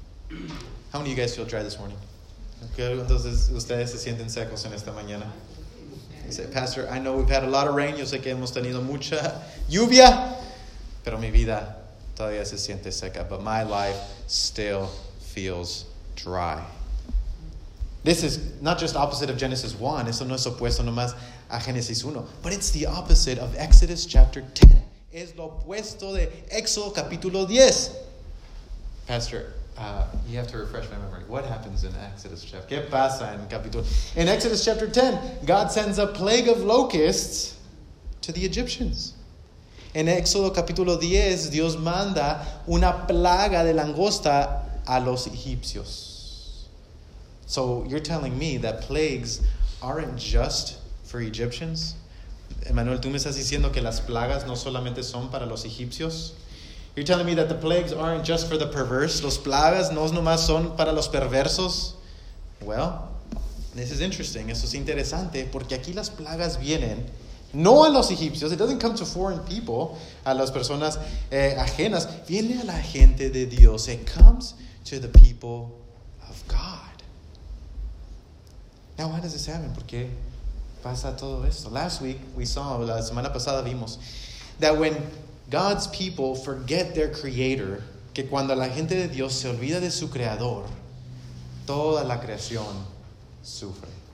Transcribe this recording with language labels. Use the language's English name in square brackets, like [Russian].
[English] How many of you guys feel dry this morning? [Spanish] ¿Entonces ustedes se sienten secos en esta mañana? [English] You say, Pastor, I know we've had a lot of rain. [Spanish] Yo sé que hemos tenido mucha lluvia. Pero mi vida todavía se siente seca. [English] But my life still feels dry. This is not just opposite of Genesis 1. [Spanish] Eso no es opuesto nomás a Génesis 1. [English] But it's the opposite of Exodus chapter 10. [Spanish] Es lo opuesto de Éxodo capítulo 10. [English] Pastor, you have to refresh my memory. What happens in Exodus chapter 10? [Spanish] ¿Qué pasa en capítulo? [English] In Exodus chapter 10, God sends a plague of locusts to the Egyptians. [Spanish] En Éxodo capítulo 10, Dios manda una plaga de langosta a los egipcios. [English] So you're telling me that plagues aren't just for Egyptians? [Spanish] Emmanuel, ¿tú me estás diciendo que las plagas no solamente son para los egipcios? [English] You're telling me that the plagues aren't just for the perverse? [Spanish] ¿Los plagas no nomás son para los perversos? [English] Well, this is interesting. [Spanish] Eso es interesante porque aquí las plagas vienen no a los egipcios. [English] It doesn't come to foreign people, [Spanish] a las personas ajenas. Viene a la gente de Dios. [English] It comes to the people of God. Now, why does this happen? [Spanish] ¿Por qué pasa todo esto? [English] Last week, we saw, [Spanish] la semana pasada vimos, [English] that when God's people forget their creator, [Spanish] que cuando la gente de Dios se olvida de su creador, toda la creación sufre.